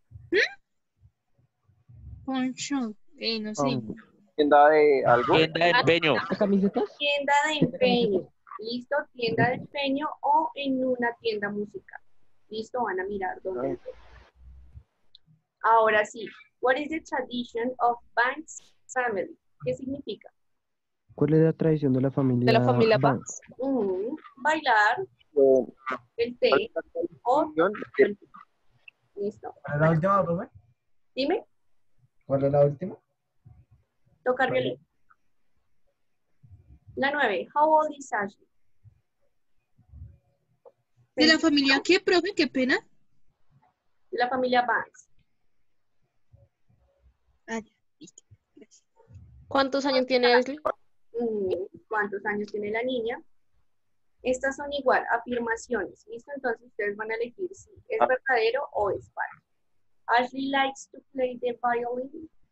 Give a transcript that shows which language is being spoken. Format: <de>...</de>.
<en>¿Mm? Pawn shop,</en> <es>no sé. ¿Tienda de algo? Tienda de empeño. ¿Camisetas? Tienda de empeño. ¿Listo? Tienda de empeño o en una tienda musical. ¿Listo? Van a mirar dónde. Ahora sí.</es> <en>What is the tradition of Banks family?</en> <es>¿Qué significa? ¿Cuál es la tradición de la familia? De la familia Banks. Bailar. El té. O... ¿Listo? ¿Cuál es la última, profe? Dime. ¿Cuál es la última? Tocar violín. La 9.</es> <en>How old is Ashley?</en> <es>¿De la familia qué, profe? ¿Qué pena? De la familia Banks. ¿Cuántos años tiene Ashley? ¿Cuántos años tiene la niña? Estas son igual, afirmaciones. ¿Listo? Entonces ustedes van a elegir si es verdadero o es falso.</es> <en>Ashley likes to play the violin.</en>